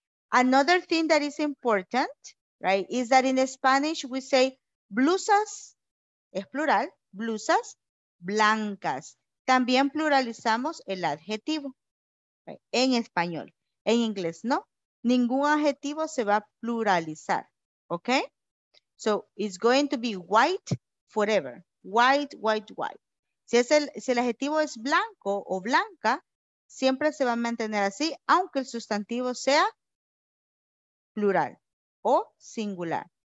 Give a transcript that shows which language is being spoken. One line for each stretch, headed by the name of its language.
English: Another thing that is important, right, is that in Spanish we say blusas,
Spanish: es plural, blusas blancas. También pluralizamos el adjetivo, right, en español. En inglés no, ningún adjetivo se va a pluralizar.
English: Okay, so it's going to be white forever. White, white, white.
Spanish: Si el adjetivo es blanco o blanca, siempre se va a mantener así, aunque el sustantivo sea plural o singular.